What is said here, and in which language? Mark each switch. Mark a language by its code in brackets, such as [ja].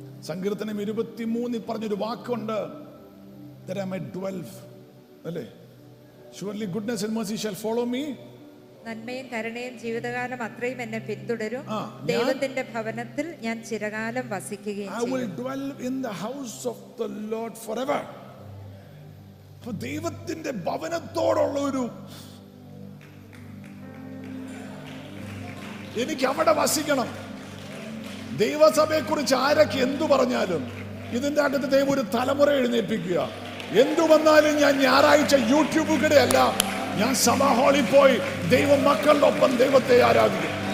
[ml] സങ്കീർത്തനം 23 പറഞ്ഞൊരു വാക്കുണ്ട്, [en] There am I dwell, [ml] അല്ലേ? [en] Surely goodness and mercy shall follow me. [ml] നന്മയും കരുണയും ജീവിതകാലം അത്രയും എന്നെ പിന്തുടരും. ദൈവത്തിന്റെ ഭവനത്തിൽ ഞാൻ ചിരകാലം വസിക്കുകയും ചെയ്യും. [en] I will dwell in the house of the Lord forever. [ml] അപ്പോൾ ദൈവത്തിന്റെ ഭവനത്തോടുള്ള ഒരു എനിക്ക് അവിടെ വസിക്കണം. ദൈവസഭയെ കുറിച്ച് ആരൊക്കെ എന്തു പറഞ്ഞാലും ഇതിന്റെ അകത്ത് ദൈവം ഒരു തലമുറ എഴുന്നേൽപ്പിക്കുക. എന്തു വന്നാലും ഞാൻ ഞായറാഴ്ച യൂട്യൂബ് കൂടെ അല്ല, ഞാൻ സഭാ ഹാളിൽ പോയി ദൈവ മക്കളുടെ ഒപ്പം ദൈവത്തെ ആരാധിക്കും.